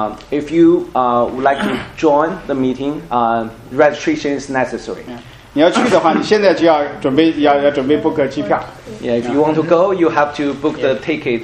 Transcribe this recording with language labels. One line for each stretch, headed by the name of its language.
English: If you would like to join the meeting, registration is necessary. Yeah.
Chinese: 你要去的话，你现在就要准备，要准备 book 机票。
English: Yeah, if you want to go, you have to book the ticket.